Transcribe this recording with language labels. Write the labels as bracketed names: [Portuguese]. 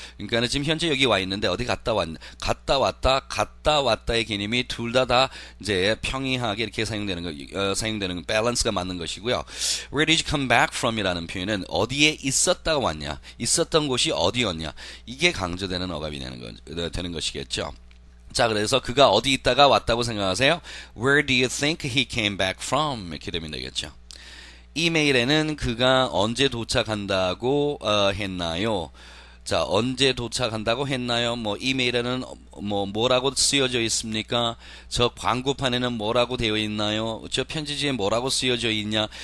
[Korean] 그러니까 지금 현재 여기 와 있는데 어디 갔다 왔냐? 갔다 왔다의 개념이 둘 다 다 이제 평이하게 이렇게 사용되는 밸런스가 맞는 것이고요. [English] Where did you come back from이라는 [Korean] 표현은 어디에 있었다가 왔냐? 있었던 곳이 어디였냐? 이게 강조되는 어감이 되는 것이겠죠. 자 그래서 그가 어디 있다가 왔다고 생각하세요? [English] Where do you think he came back from? [Korean] 이렇게 되면 되겠죠. 이메일에는 그가 언제 도착한다고 했나요? 자 언제 도착한다고 했나요? 뭐 이메일에는 뭐라고 쓰여져 있습니까? 저 광고판에는 뭐라고 되어 있나요? 저 편지지에 뭐라고 쓰여져 있냐?